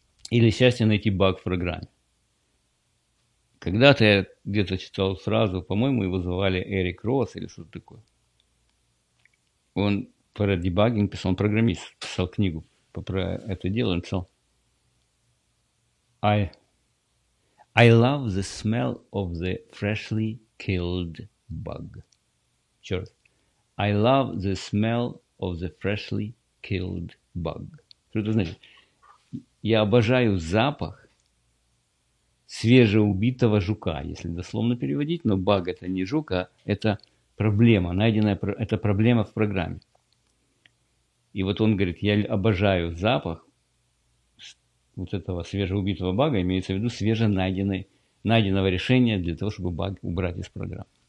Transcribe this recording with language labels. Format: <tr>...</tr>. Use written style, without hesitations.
<ru>Или счастье найти баг в программе. Когда-то я где-то читал фразу, по-моему, его звали Эрик Росс или что-то такое. Он про дебагинг писал, он программист, писал книгу про это дело, он писал</ru> <en>I love the smell of the freshly killed bug.</en> <ru>Черт.</ru> <en>I love the smell of the freshly killed bug.</en> <ru>Что это значит? Я обожаю запах свежеубитого жука, если дословно переводить, но баг это не жук, а это... проблема, найденная, это проблема в программе. И вот он говорит, я обожаю запах вот этого свежеубитого бага, имеется в виду найденного решения для того, чтобы баг убрать из программы.</ru>